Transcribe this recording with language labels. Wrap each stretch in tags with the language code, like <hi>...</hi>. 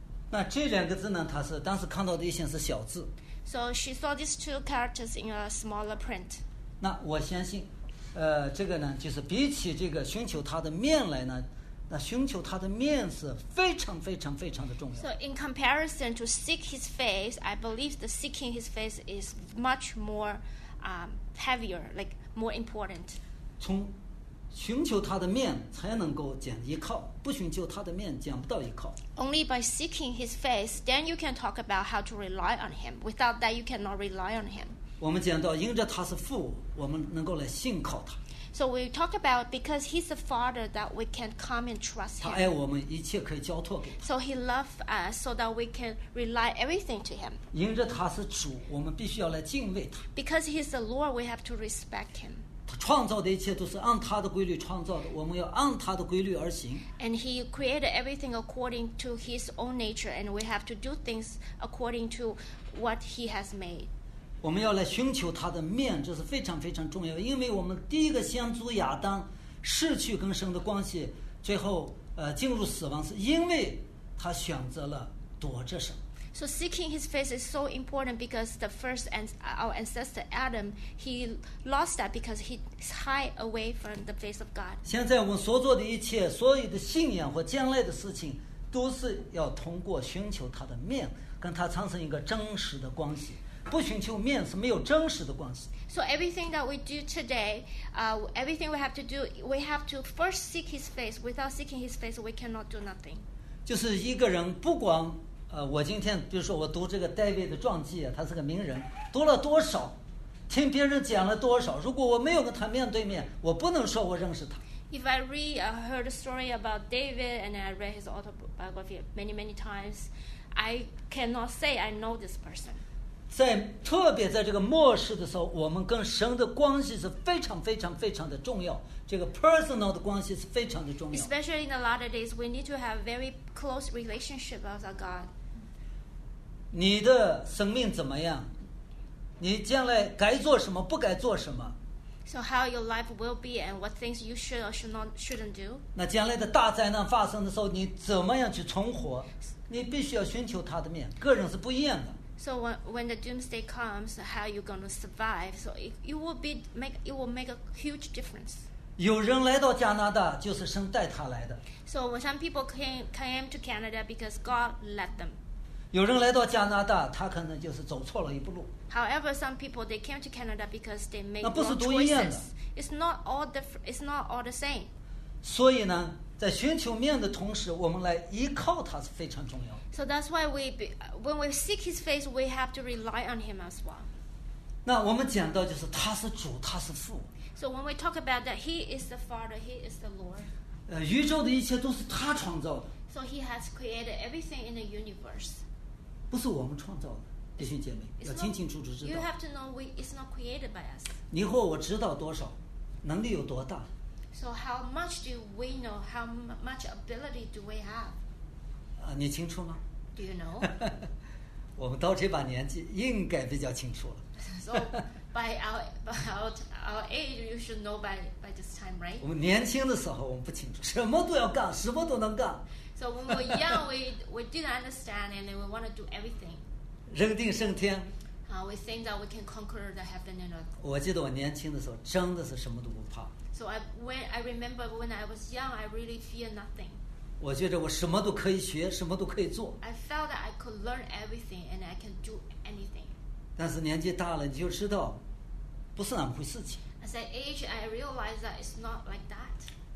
<zh>那这两个字呢它是当时看到的一些是小字</zh> <en>So she saw these two characters in a smaller print.</en> <zh>那我相信，这个呢，就是比起这个寻求他的面来呢，那寻求他的面是非常非常非常的重要。</zh> <en>So in comparison to seek his face, I believe the seeking his face is much more, heavier, like more important.</en> <zh>从寻求他的面才能够讲依靠，不寻求他的面讲不到依靠。</zh> <en>Only by seeking his face, then you can talk about how to rely on him. Without that, you cannot rely on him.</en> <zh>我们讲到，因着他是父，我们能够来信靠他。</zh> <en>So we talk about because he's the father that we can come and trust him.</en> <zh>他爱我们，一切可以交托给他。</zh> <en>So he loves us so that we can rely everything to him.</en> <zh>因着他是主，我们必须要来敬畏他。</zh> <en>Because he's the Lord, we have to respect him.</en> <zh>创造的一切都是按他的规律创造的，我们要按他的规律而行。</zh> <en>And he created everything according to his own nature, and we have to do things according to what he has made.</en> <zh>我们要来寻求他的面，这是非常非常重要。因为我们第一个先祖亚当失去跟神的关系，最后进入死亡，是因为他选择了躲着神。</zh> <en>So seeking his face is so important because the first our ancestor Adam, he lost that because he hide away from the face of God.</en> <zh>现在我们所做的一切，所有的信仰或将来的事情，都是要通过寻求他的面，跟他产生一个真实的关系。不寻求面是没有真实的关系。</zh> <en>So everything that we do today, everything we have to do, we have to first seek his face. Without seeking his face, we cannot do nothing.</en> <zh>就是一个人不管我今天比如说我读这个 David 的传记，他是个名人，读了多少，听别人讲了多少，如果我没有跟他面对面，我不能说我认识他。</zh> <en>If I read, I heard a story about David, and I read his autobiography many, many times, I cannot say I know this person.</en> <zh>在特别在这个末世的时候，我们跟神的关系是非常非常非常的重要。这个 personal 的关系是非常的重要。</zh> <en>Especially in the latter days, we need to have very close relationship with our God.</en> <zh>你的生命怎么样？你将来该做什么，不该做什么？</zh> <en>So how your life will be and what things you should or should not shouldn't do.</en> <zh>那将来的大灾难发生的时候，你怎么样去存活？你必须要寻求他的面，个人是不一样的。</zh> <en>So when the doomsday comes, how you gonna survive? So it will make a huge difference.</en> <zh>有人来到加拿大，就是神带他来的。</zh> <en>So when some people came to Canada because God led them.</en> <zh>有人来到加拿大，他可能就是走错了一步路。</zh> <en>However, some people they came to Canada because they made wrong choices. It's not all the same.</en> <zh>所以呢，在寻求面的同时，我们来依靠他是非常重要。</zh> <en>So that's why when we seek his face, we have to rely on him as well.</en> <zh>那我们讲到就是他是主，他是父。</zh> <en>So when we talk about that, he is the Father, he is the Lord.</en> <zh>宇宙的一切都是他创造的。</zh> <en>So he has created everything in the universe.</en> <zh>不是我们创造的。弟兄姐妹要清清楚楚知道</zh> <en>You have to know it's not created by us.</en> <zh>你和我知道多少能力有多大</zh> <en>So how much do we know? How much ability do we have?</en> <zh>你清楚吗</zh> <en>Do you know?</en> <zh>我们到这把年纪应该比较清楚了</zh> <en>So by our age you should know by this time, right?</en> <zh>我们年轻的时候我们不清楚什么都要干什么都能干</zh> <en>So when we're young we didn't understand and we want to do everything</en> <zh>扔定胜天。</zh> <en>We think that we can conquer the heaven and earth.</en> <zh>我记得我年轻的时候，真的是什么都不怕。</zh> <en>So I remember when I was young, I really fear nothing.</en> <zh>我觉得我什么都可以学，什么都可以做。</zh> <en>I felt that I could learn everything and I can do anything.</en> <zh>但是年纪大了，你就知道，不是那么回事情。</zh> <en>As I age, I realize that it's not like that.</en>